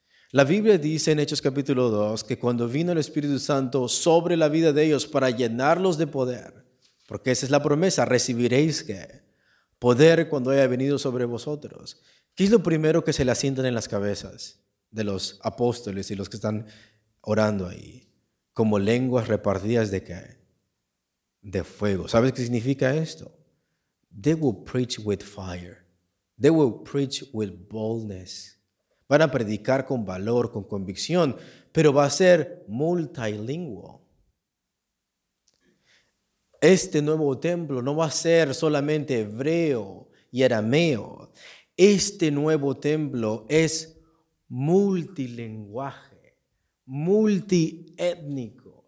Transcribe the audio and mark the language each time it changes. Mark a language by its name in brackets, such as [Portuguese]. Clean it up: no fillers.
[Spanish] La Biblia dice en Hechos capítulo 2 que cuando vino el Espíritu Santo sobre la vida de ellos para llenarlos de poder, porque esa es la promesa, recibiréis ¿qué? Poder cuando haya venido sobre vosotros. ¿Qué es lo primero que se le asientan en las cabezas de los apóstoles y los que están orando ahí? Como lenguas repartidas de ¿qué? De fuego. ¿Sabes qué significa esto? [English] They will preach with fire. They will preach with boldness. [Spanish] van a predicar con valor, con convicción, pero va a ser multilingüe. Este nuevo templo no va a ser solamente hebreo y arameo. Este nuevo templo es multilingüe, multiétnico.